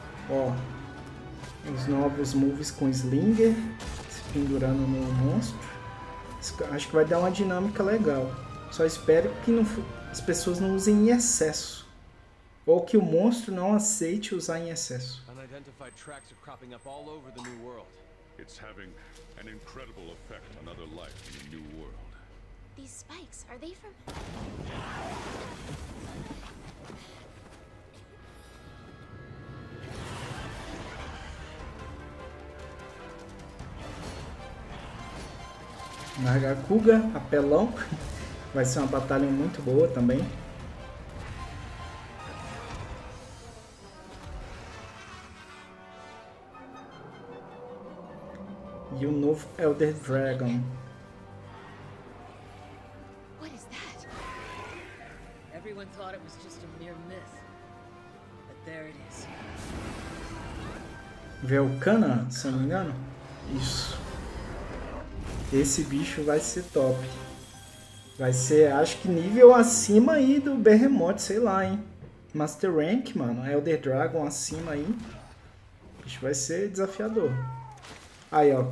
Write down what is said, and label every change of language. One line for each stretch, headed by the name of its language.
Portuguese: Ó, os novos moves com Slinger se pendurando no monstro. Acho que vai dar uma dinâmica legal. Só espero que não, as pessoas não usem em excesso. Ou que o monstro não aceite usar em excesso.
English: Identified tracks are cropping up all over the new world. It's having an incredible effect on other life in the new world. These spikes, are they from...
Portuguese: Nargacuga, apelão. Vai ser uma batalha muito boa também. E o novo Elder Dragon.
English: Everyone thought it was just a mere myth. But there it is.
Portuguese: Velcana, se não me engano. Isso. Esse bicho vai ser top. Vai ser, acho que nível acima aí do Behemoth, sei lá, hein. Master Rank, mano. Elder Dragon acima aí. Bicho, vai ser desafiador. Aí, ó.